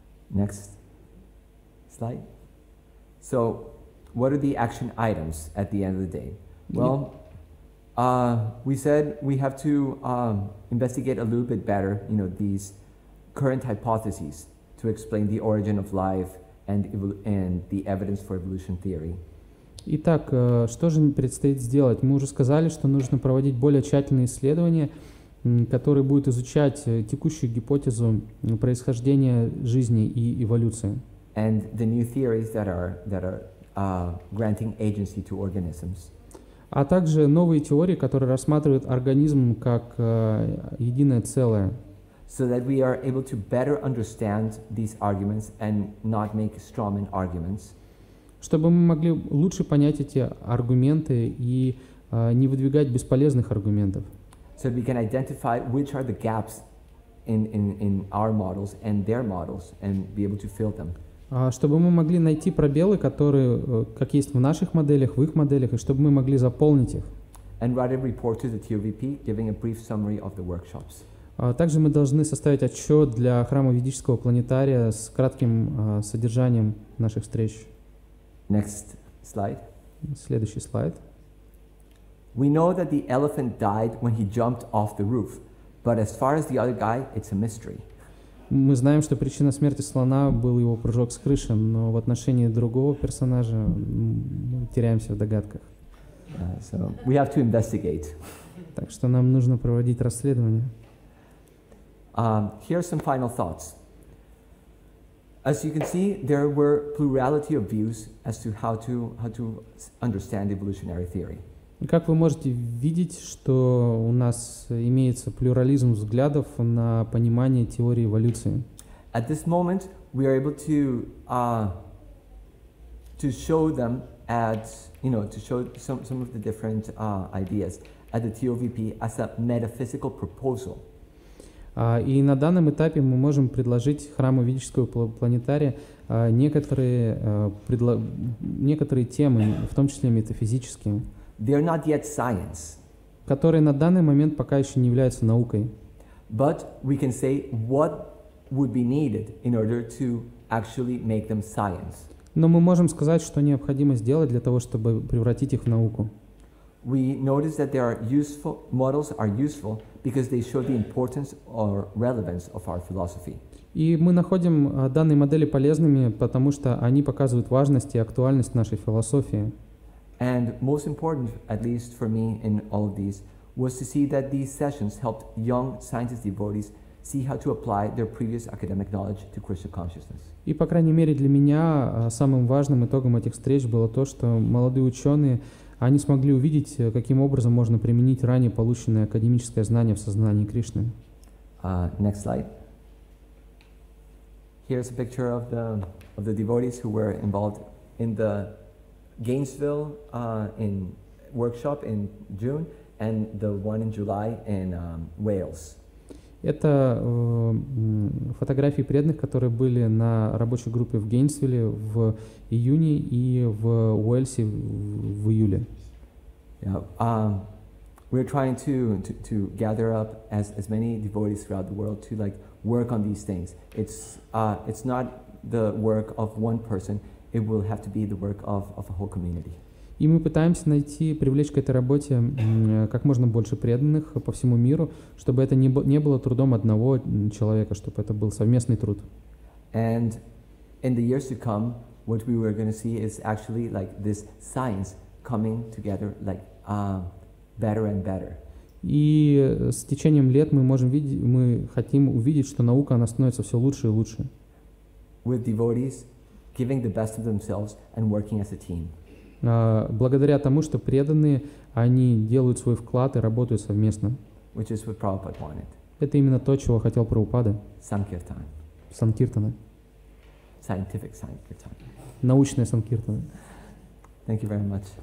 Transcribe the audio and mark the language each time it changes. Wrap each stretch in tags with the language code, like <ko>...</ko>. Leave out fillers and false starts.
<en>Next slide. So, what are the action items at the end of the day? Well, we said we have to investigate a little bit better, you know, these current hypotheses to explain the origin of life and the evidence for evolution theory.</en> <ru>Итак, что же предстоит сделать? Мы уже сказали, что нужно проводить более тщательные исследования, которые будут изучать текущую гипотезу происхождения жизни и эволюции.</ru> <en>And the new theories that are granting agency to organisms.</en> <ru>А также новые теории, которые рассматривают организм как единое целое.</ru> <en>so that we are able to better understand these arguments and not make strawman arguments.</en> <ru>Чтобы мы могли лучше понять эти аргументы и не выдвигать бесполезных аргументов.</ru> <en>So we can identify which are the gaps in our models and their models and be able to fill them.</en> <ru>Чтобы мы могли найти пробелы, которые как есть в наших моделях, в их моделях, и чтобы мы могли заполнить их.</ru> <en>And write a report to the TOVP, giving a brief summary of the workshops.</en> <ru>Также мы должны составить отчет для храма ведического планетария с кратким содержанием наших встреч.</ru> <en>Next slide.</en> <ru>Следующий слайд.</ru> <en>We know that the elephant died when he jumped off the roof, but as far as the other guy, it's a mystery.</en> <ru>Мы знаем, что причина смерти слона был его прыжок с крыши, но в отношении другого персонажа мы теряемся в догадках.</ru> <en>So we have to investigate.</en> <ru>Так что нам нужно проводить расследование.</ru> <en>Here are some final thoughts. As you can see, there were plurality of views as to how to understand evolutionary theory.</en> <ru>Как вы можете видеть, что у нас имеется плюрализм взглядов на понимание теории эволюции.</ru> <en>At this moment, we are able to show them at, you know, to show some of the different ideas at the TOVP as a metaphysical proposal.</en> <ru>И на данном этапе мы можем предложить храму ведического планетария некоторые темы, в том числе метафизические.</ru> <en>They are not yet science.</en> <ru>Которые на данный момент пока еще не являются наукой.</ru> <en>But we can say what would be needed in order to actually make them science.</en> <ru>Но мы можем сказать, что необходимо сделать для того, чтобы превратить их в науку.</ru> <en>We notice that there are useful models are useful because they show the importance or relevance of our philosophy.</en> <ru>И мы находим данные модели полезными, потому что они показывают важность и актуальность нашей философии.</ru> <en>And most important, at least for me in all of these, was to see that these sessions helped young scientist devotees see how to apply their previous academic knowledge to Krishna consciousness.</en> <ru>И, по крайней мере, для меня самым важным итогом этих встреч было то, что молодые ученые, они смогли увидеть, каким образом можно применить ранее полученное академическое знание в сознании Кришны.</ru> <en>Next slide. Here's a picture of the devotees who were involved in the Gainesville in workshop in June and the one in July in Wales.</en> <ru>Это фотографии преданных, которые были на рабочей группе в Гейнсвилле в июне и в Уэльсе в июле.</ru> <en>Yeah. We're trying to gather up as many devotees throughout the world to like work on these things. It's not the work of one person. It will have to be the work of a whole community.</en> <ru>И мы пытаемся найти, привлечь к этой работе как можно больше преданных по всему миру, чтобы это не было трудом одного человека, чтобы это был совместный труд.</ru> <en>And in the years to come, what we were going to see is actually like this science coming together like better and better.</en> <ru>И с течением лет мы можем видеть, мы хотим увидеть, что наука, она становится все лучше и лучше.</ru> <en>With devotees giving the best of themselves and working as a team.</en> <ru>Благодаря тому, что преданные, они делают свой вклад и работают совместно.</ru> <en>Which is what Prabhupada wanted.</en> <ru>Это именно то, чего хотел Прабхупада. Санкиртан. Санкиртана.</ru> <en>Scientific Sankirtan.</en> <ru>Научная Санкиртана.</ru> <en>Thank you very much.</en>